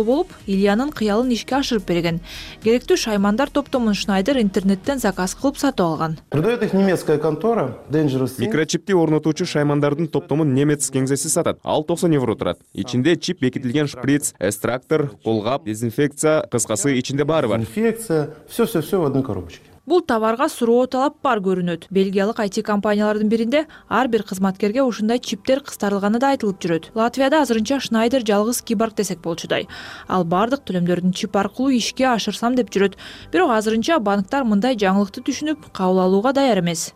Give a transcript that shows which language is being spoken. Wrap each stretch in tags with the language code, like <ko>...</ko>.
<ky>уулу болуп, Ильянын кыялын ишке ашырып берген. Керектүү шаймандар топтомун Шнайдер интернеттен заказ кылып сатып алган.</ky> <ru>Продает их немецкая контора Dangerous.</ru> <ky>Микрочипти орнотуучу шаймандардын топтомун немец кеңсеси сатат. Ал 90 евро турат. Ичинде чип бекитилген шприц, экстрактор, колгап, дезинфекция, кыскасы ичинде баары бар.</ky> <ru>Инфекция, все в одной коробочке.</ru> <ky>Бул товарга суроо талап бар көрүнөт. Бельгиялык IT компаниялардын биринде ар бир кызматкерге ушундай чиптер кыстарылганы да айтылып жүрөт. Латвияда азырынча Шнайдер жалгыз киборг десек болчудай. Ал бардык төлөмдөрдүн чип аркылуу ишке ашырсам деп жүрөт. Бирок азырынча банктар мындай жаңылыкты түшүнүп, кабыл алууга даяр эмес.</ky>